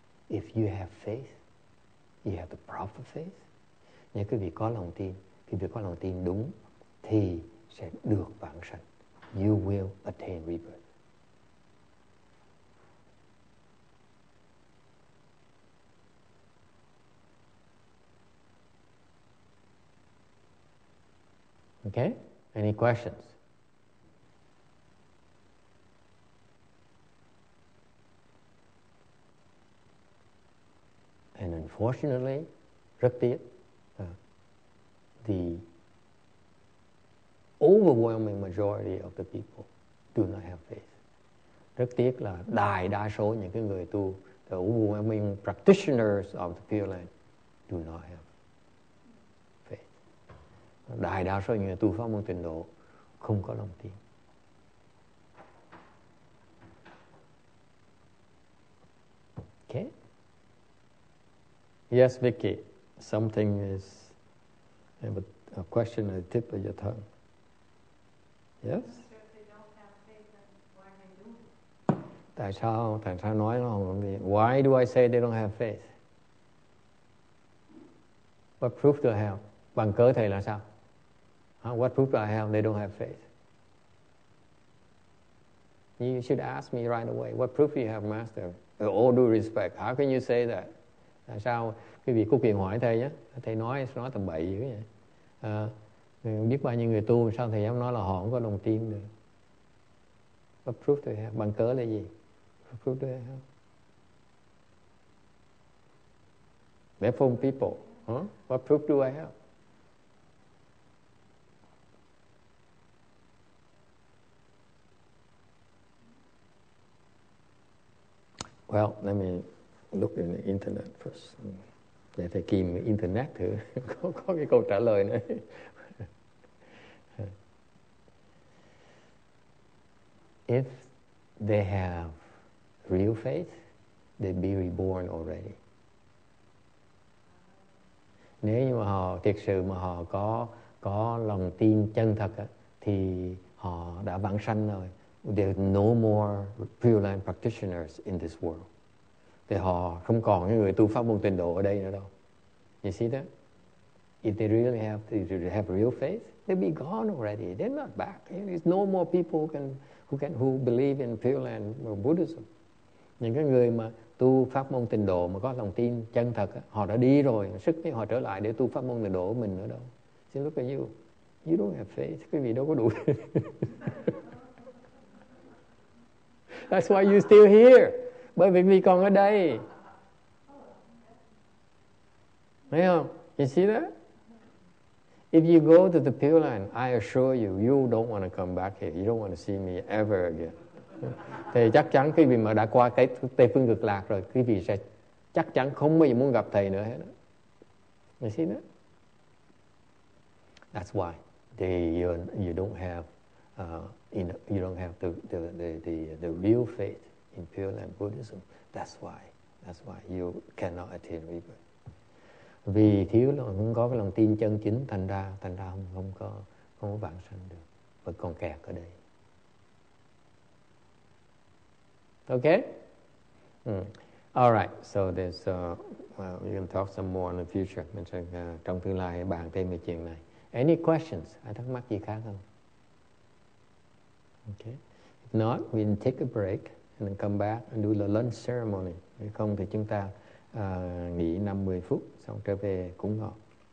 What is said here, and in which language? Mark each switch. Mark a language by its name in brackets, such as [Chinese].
[English] If you have faith, you have the proper faith. [Vietnamese] Nếu quý vị có lòng tin, quý vị có lòng tin đúng, thì sẽ được vãng sanh. [English] You will attain rebirth. Okay? Any questions? And unfortunately, [Vietnamese] rất tiếc, [English] the overwhelming majority of the people do not have faith. [Vietnamese] Rất tiếc là đại đa số những cái người tu, [English] the overwhelming practitioners of the Pure Land do not have faith. [Vietnamese] Đại đa số người tu pháp môn tịnh độ không có lòng tin. [English] Okay. Yes, Vicky. Something is a question at the tip of your tongue. Yes. [Vietnamese] Tại sao? Tại sao nói nó không làm gì? [English] Why do I say they don't have faith? What proof do I have? [Vietnamese] Bằng cớ thầy là sao? [English] Huh? What proof do I have they don't have faith? You should ask me right away. What proof do you have, Master? With all due respect, how can you say that? [Vietnamese] Tại sao? Quý vị có quyền hỏi thầy nhé. Thầy nói tầm bậy dữ vậy. Biết bao nhiêu người tu sao thầy dám nói là họ không có lòng tin được. [English] What proof do you have? [Vietnamese] Bằng cớ là gì? [English] What proof do you have? They're from people. Huh? What proof do I have? Well, let me look in the internet first. [Vietnamese] Để thầy kìm internet thử có cái câu trả lời này. [English] If they have real faith, they'd be reborn already. [Vietnamese] Nếu như mà họ thực sự mà họ có lòng tin chân thật á, thì họ đã vãng sanh rồi. [English] There are no more Pure Land practitioners in this world. [Vietnamese] Thì họ không còn những người tu pháp môn tịnh độ ở đây nữa đâu. [English] You see that? If they really have real faith, they'll be gone already. They're not back. There's no more people who believe in Pure Land or Buddhism. [Vietnamese] Những cái người mà tu pháp môn tịnh độ mà có lòng tin chân thật, họ đã đi rồi, sức mới họ trở lại để tu pháp môn tịnh độ của mình nữa đâu. [English] See, look at you. You don't have faith. [Vietnamese] Quý vị đâu có đủ. [English] That's why you're still here. [Vietnamese] Bởi vì còn ở đây. Thấy không? [English] You see that? If you go to the Pure Land, I assure you, you don't want to come back here. You don't want to see me ever again. [Vietnamese] Thì chắc chắn khi mà đã qua cái Tây Phương Cực Lạc rồi, quý vị sẽ chắc chắn không bao giờ muốn gặp thầy nữa hết. [English] You see that? That's why you don't have the real faith in Pure Land Buddhism. That's why you cannot attain rebirth. [Vietnamese] Vì thiếu là không có cái lòng tin chân chính, thành ra không có vãng sanh được, vẫn còn kẹt ở đây. [English] Okay. All right. So there's we can talk some more in the future. [Vietnamese] Mình sẽ trong tương lai bàn thêm về chuyện này. [English] Any questions? [Vietnamese] Ai thắc mắc gì khác không? [English] Okay. If not, we can take a break and then come back and do the lunch ceremony. [Vietnamese] Nếu không thì chúng ta nghỉ 50 phút xong trở về cúng ngọn.